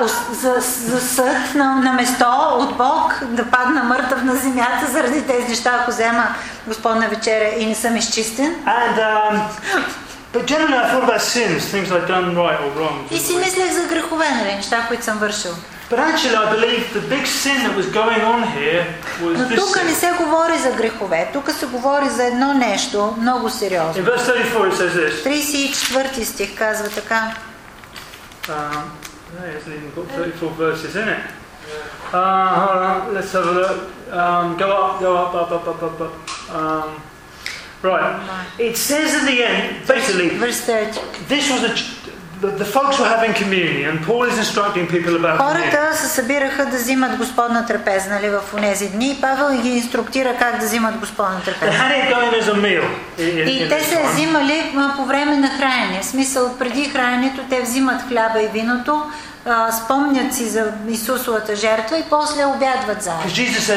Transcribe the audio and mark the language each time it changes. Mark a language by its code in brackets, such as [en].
[bg] За съд на место от Бог, да падна мъртъв на земята заради тези неща, ако взема Господна вечеря и не съм изчистен. [en] But generally, I thought about sins, things I've done right or wrong. [bg] И си мислех за грехове, нали, неща, които съм вършил. [en] But actually, I believe the big sin that was going on here was this. [bg] Но тук не се говори за грехове, тук се говори за едно нещо много сериозно. [en] In verse 34, it says this. [bg] 34 стих казва така. [en] It's even got 34 verses in it. Hold on, let's have a look. Go up. Right. It says at the end, basically, verse 30. This was a the folks were having communion, and Paul is instructing people about [bg] Хората се събираха да взимат Господна трапеза, нали, в онези дни. Павел ги инструктира как да взимат Господна трапеза. И те се взимали по време на хранение. В смисъл, преди храненето те взимат хляба и виното, спомнят си за Исусовата жертва и после обядват заедно.